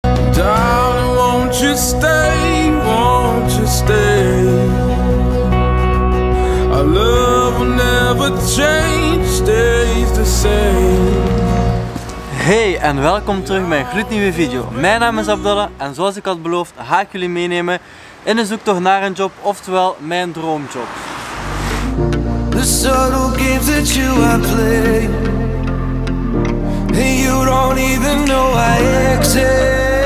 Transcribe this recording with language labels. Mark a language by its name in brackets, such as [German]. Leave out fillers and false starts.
[English] Darling, won't you stay, won't you stay? Our love will never change, stays the same. [Dutch] Hey en welkom terug bij een gloednieuwe video. Mijn naam is Abdallah en zoals ik had beloofd ga ik jullie meenemen in een zoektocht naar een job, oftewel mijn droomjob. [English] The subtle games that you are playing, you don't even know I exist.